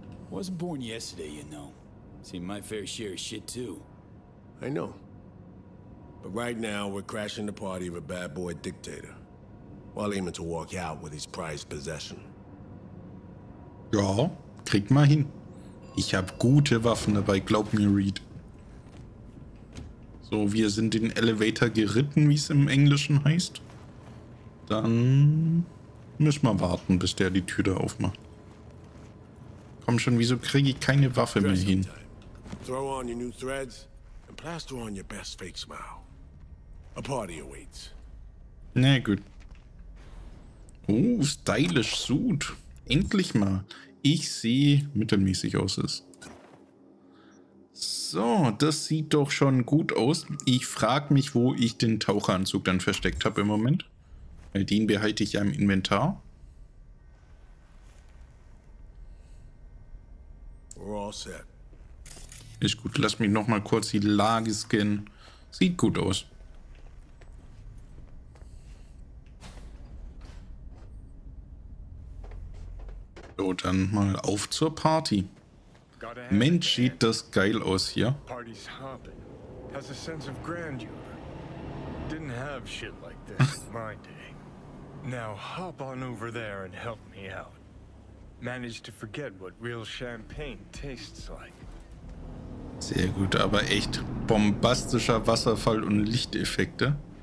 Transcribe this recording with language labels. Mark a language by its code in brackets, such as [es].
[en] Wasn't born yesterday, you know. Seen my fair share of shit too. I know. But right now we're crashing the party of a bad boy dictator, while aiming to walk out with his prized possession. [de] Ja, krieg mal hin. Ich habe gute Waffen dabei, glaub mir, Reed. So, wir sind den Elevator geritten, wie es im Englischen heißt. Dann müssen wir warten, bis der die Tür da aufmacht. Komm schon, wieso kriege ich keine Waffe mehr hin? [en] Throw on your new threads and plaster on your best fake smile. A party awaits. [de] Na gut. [en] Oh, stylish suit. [de] Endlich mal. Ich sehe mittelmäßig aus. So, das sieht doch schon gut aus. Ich frage mich, wo ich den Taucheranzug dann versteckt habe im Moment. Weil den behalte ich ja im Inventar. Ist gut, lass mich nochmal kurz die Lage scannen. Sieht gut aus. So, dann mal auf zur Party. Mensch, sieht das geil aus hier. [en] Party's hopping. Has a sense of grandeur. Didn't have shit like this in my day. Now hop on over there and help me out. Manage to forget what real champagne tastes like. [de] Sehr gut, aber echt bombastischer Wasserfall und Lichteffekte.